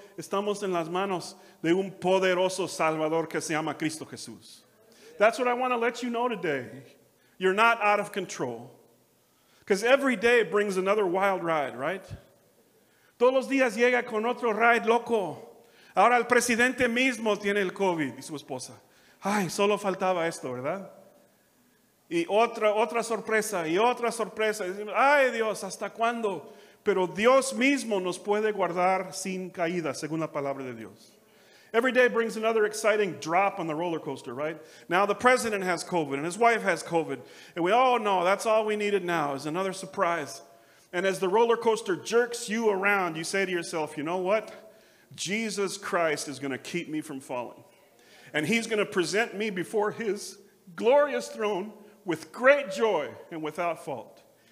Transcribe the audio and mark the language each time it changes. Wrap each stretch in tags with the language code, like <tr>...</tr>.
<es>Estamos en las manos de un poderoso Salvador que se llama Cristo Jesús.</es> <en>That's what I want to let you know today. You're not out of control. Because every day brings another wild ride, right?</en> <es>Todos los días llega con otro ride loco. Ahora el presidente mismo tiene el COVID y su esposa. Ay, solo faltaba esto, ¿verdad? Y otra sorpresa, y otra sorpresa. Ay Dios, ¿hasta cuándo? Pero Dios mismo nos puede guardar sin caída, según la palabra de Dios.</es> <en>Every day brings another exciting drop on the roller coaster, right? Now the president has COVID, and his wife has COVID. And we all know that's all we needed now is another surprise. And as the roller coaster jerks you around, you say to yourself, you know what? Jesus Christ is going to keep me from falling. And he's going to present me before his glorious throne with great joy and without fault.</en>